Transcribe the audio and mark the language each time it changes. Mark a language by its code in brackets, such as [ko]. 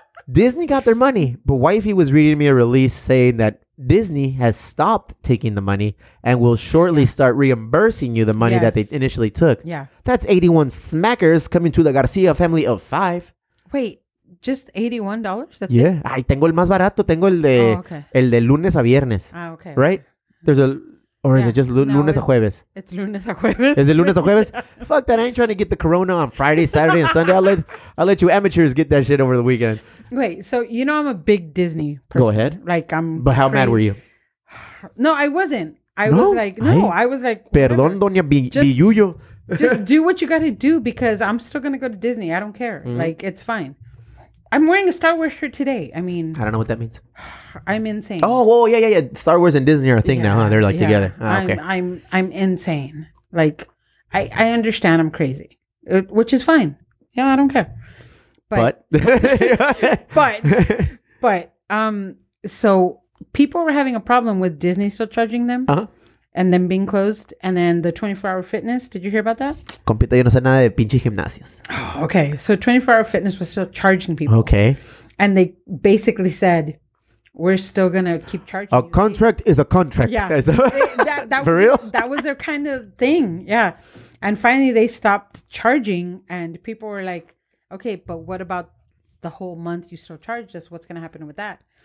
[en] Disney got their money, but wifey was reading me a release saying that Disney has stopped taking the money and will shortly start reimbursing you the money that they initially took. Yeah. That's 81 smackers coming to the Garcia family of five. Wait, just $81? That's it? [es] Ay, tengo el más barato. Tengo el de, el de lunes a viernes. [en] Ah, okay. Right? There's a... Or is it just [es] lunes a jueves? [en] It's [es] lunes a jueves. [en] Is it [es] lunes a jueves? [en] Fuck that. I ain't trying to get the corona on Friday, Saturday, and Sunday. I'll let you amateurs get that shit over the weekend. Wait, so you know I'm a big Disney person. Go ahead. Like, I'm... But how mad were you? No, I wasn't. I was like... [es] Perdón, Doña Biyuyo. [en] Just do what you got to do because I'm still going to go to Disney. I don't care. Mm-hmm. Like, it's fine. I'm wearing a Star Wars shirt today. I mean, I don't know what that means. I'm insane. Oh, whoa, yeah. Star Wars and Disney are a thing now, huh? They're like together. Oh, okay. I'm insane. Like, I understand I'm crazy, which is fine. Yeah, I don't care. But so people were having a problem with Disney still charging them. Uh-huh. And then being closed. And then the 24-hour fitness. Did you hear about that? [es] Compita, yo no sé nada de pinches gimnasios. [en] Okay. So 24-hour fitness was still charging people. Okay. And they basically said, we're still going to keep charging. A contract is a contract. Yeah. That was their kind of thing. Yeah. And finally, they stopped charging. And people were like, okay, but what about the whole month you still charged us? What's going to happen with that?